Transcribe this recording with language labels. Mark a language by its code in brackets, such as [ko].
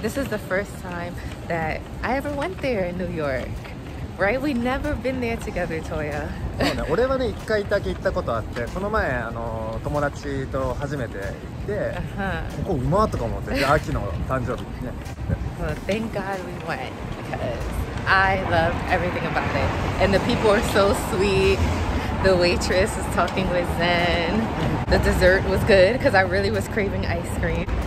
[en] This is the first time that I ever went there in New York. Right? We've never been there together, Toya. [ja] そうね、俺はね、一回だけ行ったことあって、この前、あの友達と初めて行って、ここうまーとか思って、秋の誕生日ね。 [en] Well, thank God we went, because I love everything about it. And the people are so sweet. The waitress is talking with Zen. The dessert was good, because I really was craving ice cream.